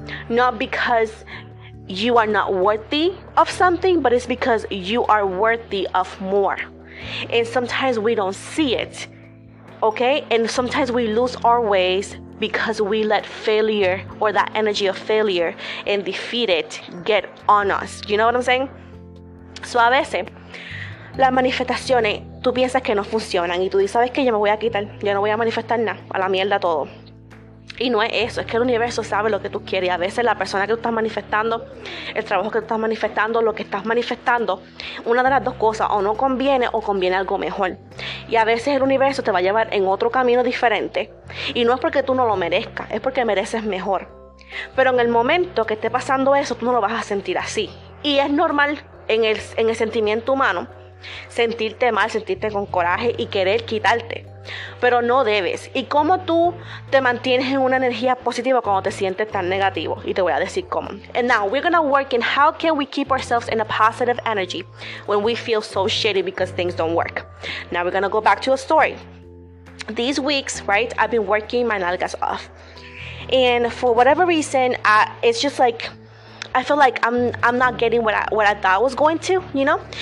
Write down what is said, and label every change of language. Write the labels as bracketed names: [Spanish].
[English] Not because you are not worthy of something, but it's because you are worthy of more. And sometimes we don't see it, okay? And sometimes we lose our ways because we let failure or that energy of failure and defeat it get on us. You know what I'm saying? [Spanish] So a veces, las manifestaciones, tú piensas que no funcionan y tú dices, ¿sabes qué? Yo me voy a quitar, yo no voy a manifestar nada, a la mierda todo. Y no es eso, es que el universo sabe lo que tú quieres. Y a veces la persona que tú estás manifestando, el trabajo que tú estás manifestando, lo que estás manifestando, una de las dos cosas, o no conviene o conviene algo mejor. Y a veces el universo te va a llevar en otro camino diferente. Y no es porque tú no lo merezcas, es porque mereces mejor. Pero en el momento que esté pasando eso, tú no lo vas a sentir así. Y es normal en el sentimiento humano sentirte mal, sentirte con coraje y querer quitarte. Pero no debes. ¿Y cómo tú te mantienes en una energía positiva cuando te sientes tan negativo? Y te voy a decir cómo. [English] And now we're gonna work in how can we keep ourselves in a positive energy when we feel so shitty because things don't work. Now we're gonna go back to a story. These weeks, right, I've been working my nalgas off. And for whatever reason, it's just like I feel like I'm not getting what I thought I was going to, you know?